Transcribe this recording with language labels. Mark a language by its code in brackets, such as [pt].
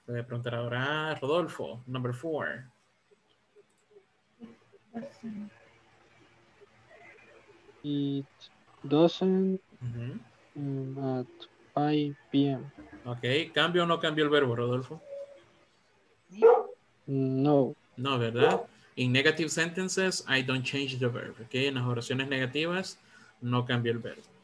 [es] Le voy a preguntar ahora a Rodolfo, [en] number four. It doesn't at 5 p.m. [es] Ok, ¿cambio o no cambio el verbo, Rodolfo? No. No, ¿verdad? [en] In negative sentences, I don't change the verb. [es] Ok, en las oraciones negativas, no cambio el verbo.